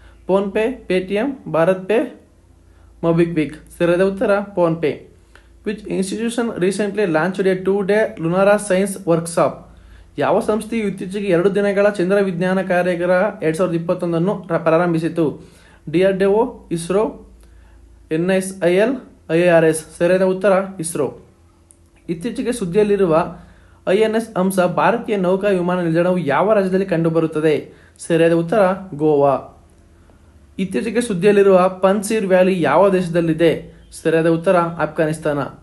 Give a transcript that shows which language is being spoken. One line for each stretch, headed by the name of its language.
Kannada: PhonePe, Paytm, Bharat pay, MobiKwik.
English: ಸರಿಯಾದ ಉತ್ತರ PhonePe. Which institution recently launch a 2-day lunar science workshop?
Kannada: ಯಾವ ಸಂಸ್ಥೆಯು ಇತ್ತೀಚೆಗೆ 2 ದಿನಗಳ ಚಂದ್ರ ವಿಜ್ಞಾನ ಕಾರ್ಯಾಗಾರ 2021 ಪ್ರಾರಂಭಿಸಿತು? DRDO, ISRO, NSIL, IARS. ಸರಿಯಾದ ಉತ್ತರ ಇಸ್ರೋ. ಇತ್ತೀಚೆಗೆ ಸುದ್ದಿಯಲ್ಲಿರುವ INS ಹಂಸ ಭಾರತೀಯ ನೌಕಾ ವಿಮಾನ ನಿಲ್ದಾಣವು ಯಾವ ರಾಜ್ಯದಲ್ಲಿ ಕಂಡುಬರುತ್ತದೆ? ಸರಿಯಾದ ಉತ್ತರ ಗೋವಾ. ಇತ್ತೀಚೆಗೆ ಸುದ್ದಿಯಲ್ಲಿರುವ ಪನ್ಸೀರ್ ವ್ಯಾಲಿ ಯಾವ ದೇಶದಲ್ಲಿದೆ? ಸರಿಯಾದ ಉತ್ತರ ಆಫ್ಘಾನಿಸ್ತಾನ.